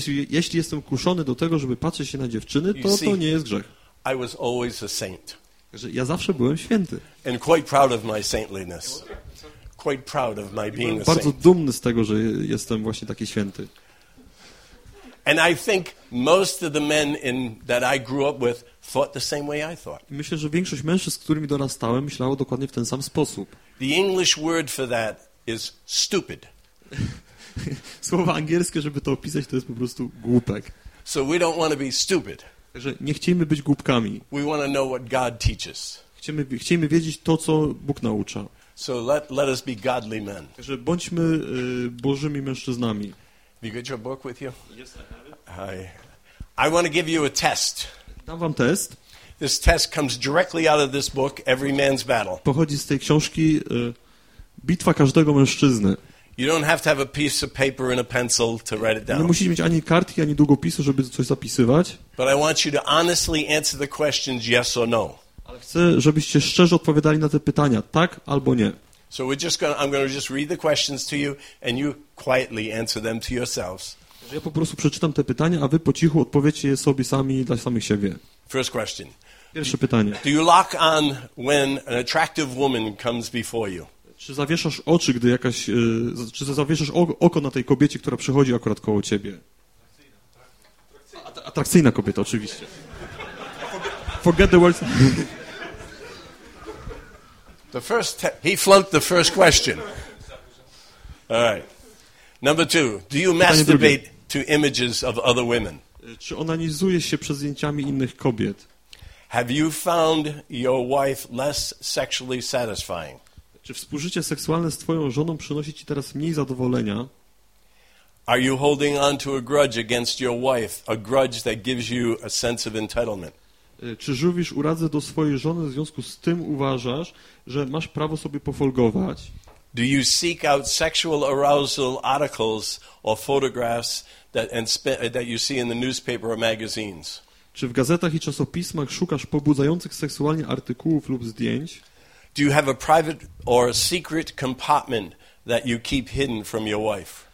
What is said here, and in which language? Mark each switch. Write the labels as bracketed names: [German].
[Polish] Jeśli jestem kuszony do tego, żeby patrzeć się na dziewczyny, to nie jest grzech. [English] I was always a saint. [Polish] Także ja zawsze byłem święty. [English] And quite proud of my saintliness. Quite proud of my being a saint. [Polish] Bardzo dumny z tego, że jestem właśnie taki święty. [English] And I think most of the men that I grew up with thought the same way I thought. [Polish] Myślę, że większość mężczyzn, z którymi dorastałem, myślało dokładnie w ten sam sposób. [English] The English word for that is stupid. [Polish] Słowo angielskie, żeby to opisać, to jest po prostu głupek. [English] So we don't want to be stupid. [Polish] Także nie chcemy być głupkami. [English] We want to know what God teaches. [Polish] Chcemy wiedzieć to, co Bóg naucza. [English] So let us be godly men. [Polish] Także bądźmy Bożymi mężczyznami. [English] Have you got your book with you? Yes, I have it. I want to give you a test. [Polish] Dam wam test. [English] This test comes directly out of this book, Every Man's Battle. [Polish] Pochodzi z tej książki Bitwa każdego mężczyzny. [English] You don't have to have a piece of paper and a pencil to write it down. [Polish] Nie musisz mieć ani kartki, ani długopisu, żeby coś zapisywać. [English] But I want you to honestly answer the questions yes or no. [Polish] Ale chcę, żebyście szczerze odpowiadali na te pytania, tak albo nie. [English] So we're just gonna, I'm going to just read the questions to you and you quietly answer them to yourselves. [Polish] Ja po prostu przeczytam te pytania, a wy po cichu odpowiecie je sobie sami dla samych siebie. [English] First question. [Polish] Pierwsze pytanie. [English] Do you lock on when an attractive woman comes before you? [Polish] Czy zawieszasz oczy, gdy jakaś czy zawieszasz oko na tej kobiecie, która przychodzi akurat koło ciebie? Atrakcyjna kobieta, oczywiście. [English] Forget the words. He flunked the first question. All right. Number two. Do you masturbate to images of other women? [Polish] Czy onanizujesz się przed zdjęciami innych kobiet? [English] Have you found your wife less sexually satisfying? [Polish] Czy współżycie seksualne z twoją żoną przynosi ci teraz mniej zadowolenia? [English] Are you holding on to a grudge against your wife, a grudge that gives you a sense of entitlement? [Polish] Czy żywisz urazę do swojej żony w związku z tym uważasz, że masz prawo sobie pofolgować? [English] Do you seek out sexual arousal articles or photographs that you see in the newspaper or magazines? [Polish] Czy w gazetach i czasopismach szukasz pobudzających seksualnie artykułów lub zdjęć? [English] Do you have a private or a secret compartment that you keep hidden from your wife?